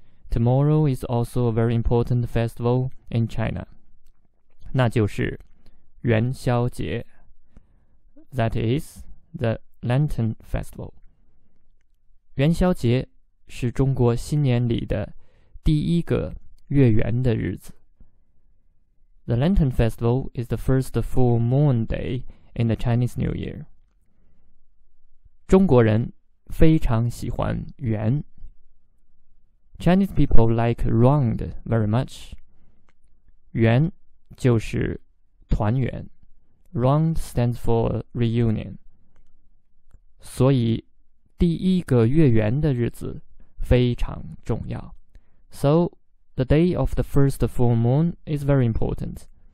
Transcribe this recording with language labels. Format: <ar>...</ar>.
<en>Tomorrow is also a very important festival in China.</en> <zh>那就是元宵节。</zh> <en>That is the Lantern Festival.</en> <zh>元宵节是中国新年里的第一个月圆的日子。</zh> <en>The Lantern Festival is the first full moon day in the Chinese New Year.</en> <zh>中国人非常喜欢圆。</zh> <en>Chinese people like round very much.</en> <zh>圆就是团圆。</zh> <en>Round stands for reunion.</en> <zh>所以第一个月圆的日子非常重要。</zh> <en>So, the day of the first full moon is very important.</en>